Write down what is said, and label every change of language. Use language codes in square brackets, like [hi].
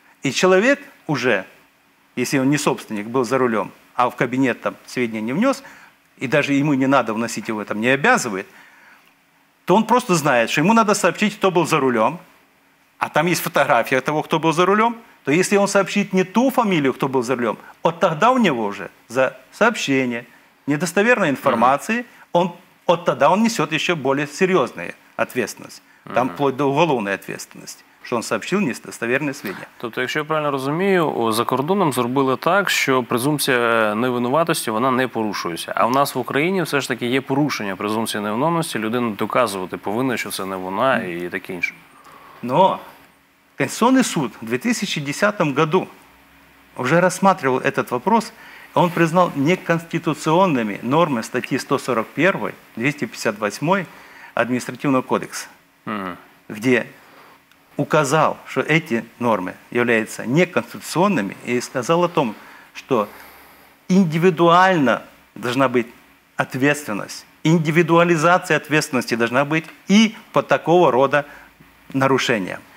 [ru] И человек уже, если он не собственник, был за рулем, а в кабинет там сведения не внес, и даже ему не надо вносить его, там не обязывает, то он просто знает, что ему надо сообщить, кто был за рулем, а там есть фотография того, кто был за рулем, то если он сообщит не ту фамилию, кто был за рулем, вот тогда у него уже за сообщение недостоверной информации, он, вот тогда он несет еще более серьезную ответственность. Там вплоть до уголовной ответственности, [uk] що він сообщив недостовірні свідчення. Тобто, якщо я правильно розумію, за кордоном зробили так, що презумпція невинуватості, вона не порушується. А в нас в Україні все ж таки є порушення презумпції невинуватості, людина доказувати повинна, що це не вона і таке інше. [ru] Но Конституционный суд в 2010 году [uk] вже розглядав [ru] этот вопрос, і він признав неконституционными [uk] норми статті 141, 258 адміністративного кодексу, [ru] где указал, что эти нормы являются неконституционными, и сказал о том, что индивидуально должна быть ответственность, индивидуализация ответственности должна быть и по такого рода нарушениям.